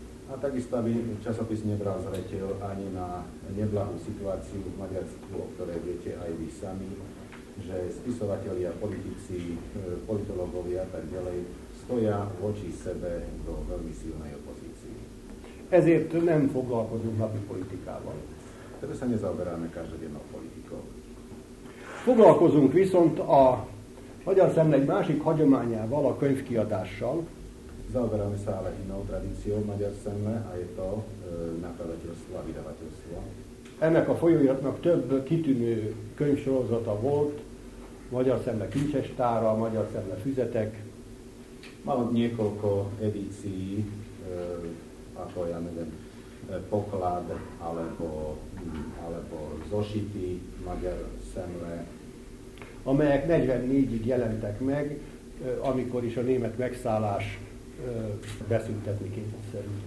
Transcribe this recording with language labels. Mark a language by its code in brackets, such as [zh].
[hu] Hát egész a [sk] časopis nebrál zretiel ani na neblahú [hu] szituáció Magyarországon, [sk] o ktorej viete aj vy sami, že spisovatelia, politici, politológovia a tak ďalej stoja voči sebe do veľmi silnej opozícii. [hu] Ezért nem foglalkozunk napi politikával. [sk] Tehát sa nezaoberáme každodennou politikou. [hu] Foglalkozunk viszont a Magyar Szemle egy másik hagyományával, a könyvkiadással. [sk] Zaoberáme sa ale inou tradíciou Magyar Szemle, a je to nakladateľstvo a vydavateľstvo. [hu] Ennek a folyóiratnak több kitűnő könyvsorozata volt, Magyar Szemle kincsestára, Magyar Szemle füzetek. [sk] Mal niekoľko edícií, ako ja neviem, poklad, alebo zošity Magyar Szemle. [hu] Amelyek 44-ig jelentek meg, amikor is a német megszállás beszüntetni kényszerült